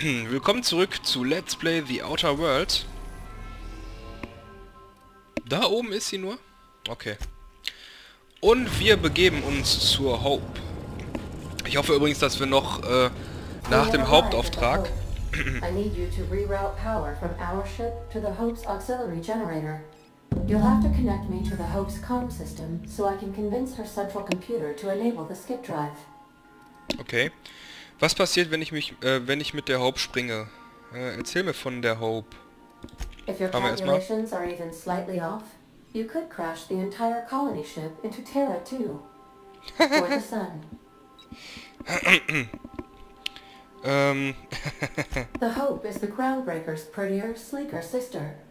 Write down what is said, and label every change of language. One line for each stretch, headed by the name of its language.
German: Willkommen zurück zu Let's Play The Outer Worlds. Da oben ist sie nur. Okay. Und wir begeben uns zur Hope. Ich hoffe übrigens, dass wir noch nach dem Hauptauftrag...
English: I need you to reroute power from our ship to the Hope's auxiliary generator. You'll have to connect me to the Hope's comm system, so I can convince her central computer to enable the skip drive.
German: Okay. Was passiert, wenn ich mich, wenn ich mit der Hope springe? Erzähl mir von der Hope.
English: If your calculations are even slightly off, you could crash the entire colony ship into Terra 2. For the sun. The Hope is the Groundbreaker's prettier, sleeker sister.